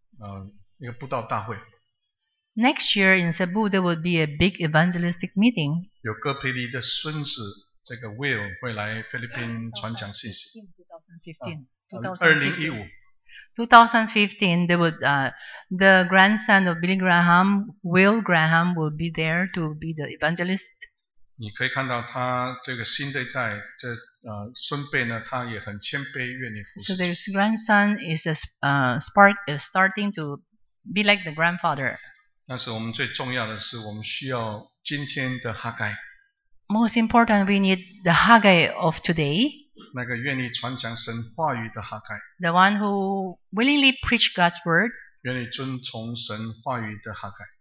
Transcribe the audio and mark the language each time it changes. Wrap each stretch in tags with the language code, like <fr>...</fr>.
<zh>明年在西部有一个布道大会。</zh> <en>Next year in Cebu, there will be a big evangelistic meeting.</en> <zh>有哥培利的孙子, 这个Will会来菲律宾传讲信息。</zh> <en>2015, there would, the grandson of Billy Graham, Will Graham, will be there to be the evangelist.</en> <zh>你可以看到他这个新的一代, 这孙辈呢, 他也很谦卑, 愿意服侍。</zh> <en>So this grandson is starting to be like the grandfather.</en> <zh>但是我们最重要的是我们需要今天的哈该。</zh> <en>Most important, we need the Haggai of today.</en> <zh>那个愿意传讲神话语的哈该。</zh> <en>The one who willingly preach God's word.</en> <zh>愿意遵从神话语的哈该。</zh>